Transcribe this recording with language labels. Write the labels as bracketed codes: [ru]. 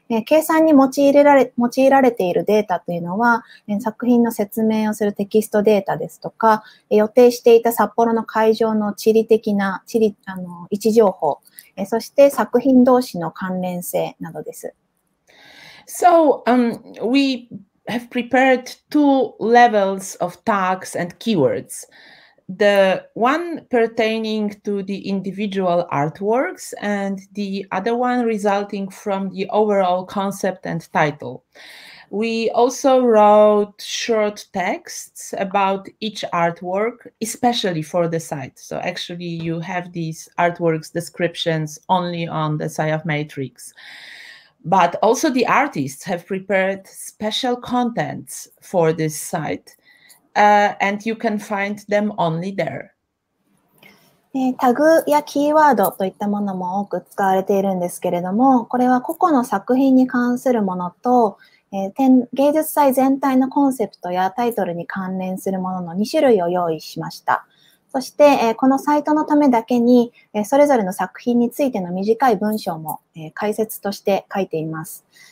[ja] 計算に用いられているデータというのは、作品の説明をするテキストデータですとか、予定していた札幌の会場の地理的な、位置情報、そして作品同士の関連性などです。 [en] So, we have prepared two levels of tags and keywords. The one pertaining to the individual artworks and the other one resulting from the overall concept and title. We also wrote short texts about each artwork, especially for the site. So actually you have these artworks descriptions only on the site of Matrix. But also the artists have prepared special contents for this site, and you can find them only there. [ja] タグやキーワードといったものも多く使われているんですけれども、これは個々の作品に関するものと、芸術祭全体のコンセプトやタイトルに関連するものの2種類を用意しました。そして、このサイトのためだけに、それぞれの作品についての短い文章も、解説として書いています。